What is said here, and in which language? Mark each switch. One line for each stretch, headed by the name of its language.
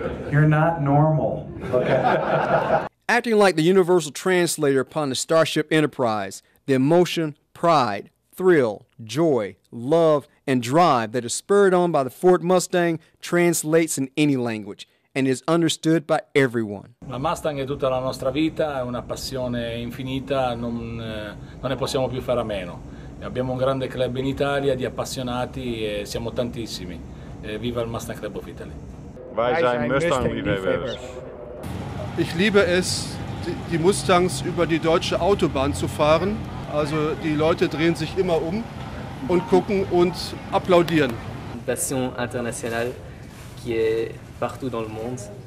English: You're not normal. Okay. Acting like the universal translator upon the Starship Enterprise, the emotion, pride, thrill, joy, love, and drive that is spurred on by the Ford Mustang translates in any language and is understood by everyone.
Italian: La Mustang è tutta la nostra vita, è una passione infinita, non ne possiamo più fare a meno. Abbiamo un grande club in Italia di appassionati e siamo tantissimi. Viva il Mustang Club of Italy.
German: Vai sein Mustang, wie wir werden. Ich liebe es, die Mustangs über die deutsche Autobahn zu fahren. Also die Leute drehen sich immer um und gucken und applaudieren.
French: Passion internationale qui est partout dans le monde.